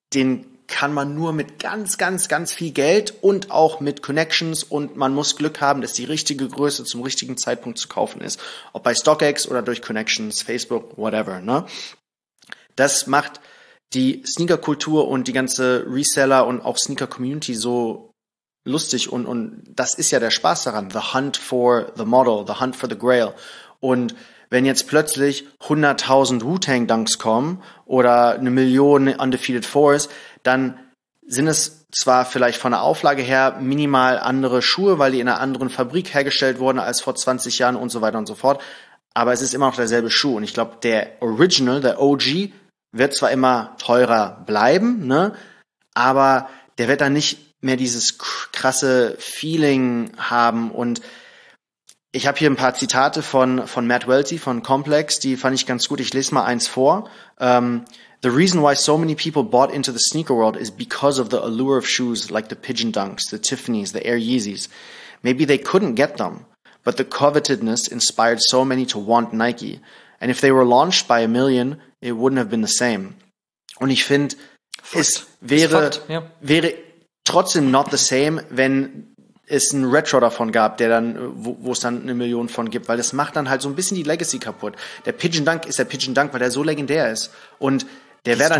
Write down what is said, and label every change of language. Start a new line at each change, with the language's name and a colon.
German: Den kann man nur mit ganz, ganz, ganz viel Geld und auch mit Connections, und man muss Glück haben, dass die richtige Größe zum richtigen Zeitpunkt zu kaufen ist. Ob bei StockX oder durch Connections, Facebook, whatever. Ne? Das macht die Sneaker-Kultur und die ganze Reseller und auch Sneaker-Community so lustig, und das ist ja der Spaß daran.
English: The hunt for the model, the hunt for the grail.
German: Und wenn jetzt plötzlich 100.000 Wu-Tang Dunks kommen oder 1 Million Undefeated Fours, dann sind es zwar vielleicht von der Auflage her minimal andere Schuhe, weil die in einer anderen Fabrik hergestellt wurden als vor 20 Jahren und so weiter und so fort, aber es ist immer noch derselbe Schuh. Und ich glaube, der Original, der OG, wird zwar immer teurer bleiben, ne, aber der wird dann nicht mehr dieses krasse Feeling haben. Und ich habe hier ein paar Zitate von Matt Welty von Complex, die fand ich ganz gut. Ich lese mal eins vor.
English: The reason why so many people bought into the sneaker world is because of the allure of shoes like the Pigeon Dunks, the Tiffany's, the Air Yeezys. Maybe they couldn't get them, but the covetedness inspired so many to want Nike. And if they were launched by 1 million, it wouldn't have been the same.
German: Und ich finde, es wäre, wäre trotzdem
English: not the same,
German: wenn es ein Retro davon gab, der dann, wo es dann 1 Million von gibt, weil das macht dann halt so ein bisschen die Legacy kaputt. Der Pigeon Dunk ist der Pigeon Dunk, weil der so legendär ist. Und der wäre dann.